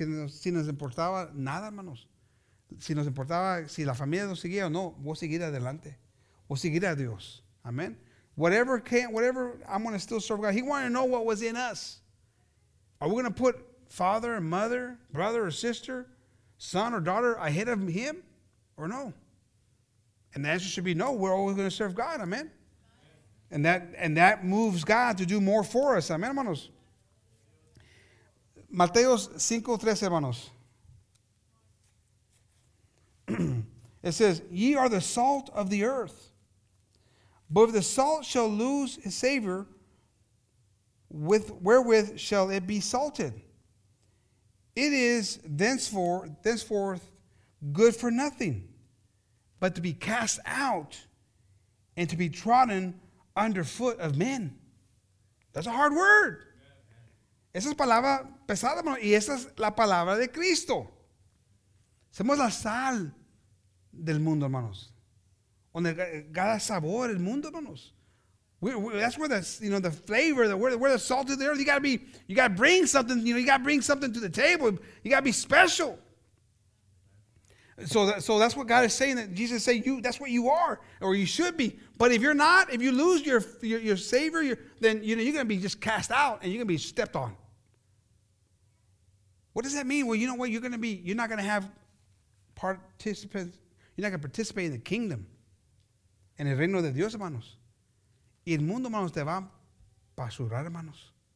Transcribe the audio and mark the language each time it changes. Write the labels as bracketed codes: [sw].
[es] Si nos importaba nada, hermanos. Si nos importaba si la familia nos seguía o no, voy a seguir adelante. Voy a seguir a Dios. Amen. [en] Whatever, I'm going to still serve God. He wanted to know what was in us. Are we going to put father and mother, brother or sister, son or daughter ahead of him or no? And the answer should be no. We're always going to serve God. Amen. And that moves God to do more for us. Amen, hermanos. [es] Mateo 5:13, hermanos. [en] It says, ye are the salt of the earth. But if the salt shall lose its savor, wherewith shall it be salted? It is thenceforth good for nothing, but to be cast out and to be trodden under foot of men. That's a hard word. [es] Esa es palabra pesada, hermano, y esa es la palabra de Cristo. Somos la sal del mundo, hermanos. Donde cada sabor del mundo, hermanos. [en] That's where the flavor, where the salt of the earth. You gotta bring something. You know, you gotta bring something to the table. You gotta be special. So that's what God is saying. That Jesus is saying, that's what you are, or you should be. But if you're not, if you lose your savior, then you know you're gonna be just cast out, and you're gonna be stepped on. What does that mean? Well, you know what? You're not going to have participants. You're not going to participate in the kingdom. [es] En el reino de Dios, hermanos. Y el mundo, hermanos, te va a basurar, hermanos.